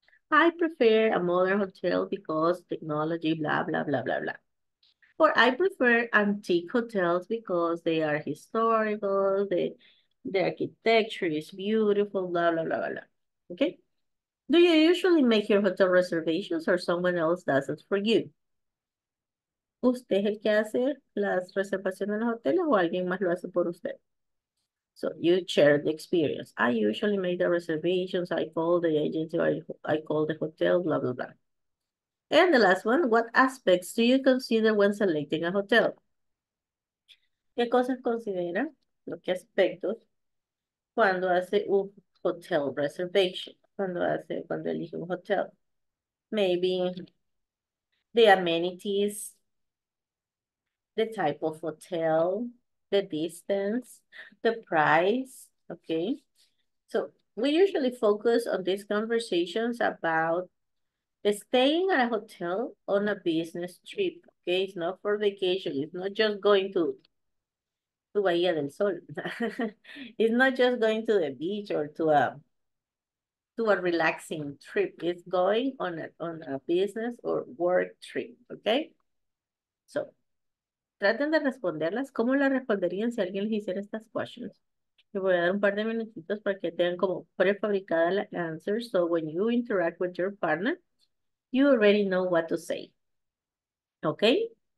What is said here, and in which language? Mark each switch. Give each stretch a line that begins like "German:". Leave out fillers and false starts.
English: I prefer a modern hotel because technology, blah, blah, blah, blah, blah. Or I prefer antique hotels because they are historical, the architecture is beautiful, blah, blah, blah, blah, blah. Okay? Do you usually make your hotel reservations or someone else does it for you?
Spanish: ¿Usted es el que hace las reservaciones en los hoteles o alguien más lo hace por usted?
English: So you share the experience. I usually make the reservations, I call the agency, I call the hotel, blah, blah, blah. And the last one, what aspects do you consider when selecting a hotel?
Spanish: ¿Qué cosas considera? ¿Lo qué aspectos? Cuando hace un
English: hotel reservation,
Spanish: cuando elige un hotel.
English: Maybe the amenities, the type of hotel, the distance, the price, okay? So we usually focus on these conversations about staying at a hotel on a business trip, okay? It's not for vacation. It's not just going to Bahía del Sol. It's not just going to the beach or to a relaxing trip. It's going on a business or work trip, okay? So,
Spanish: traten de responderlas. ¿Cómo la responderían si alguien les hiciera estas
English: questions?
Spanish: Les voy a dar un par de minutitos para que tengan como prefabricada la
English: answer. So, when you interact with your partner, you already know what to say, okay?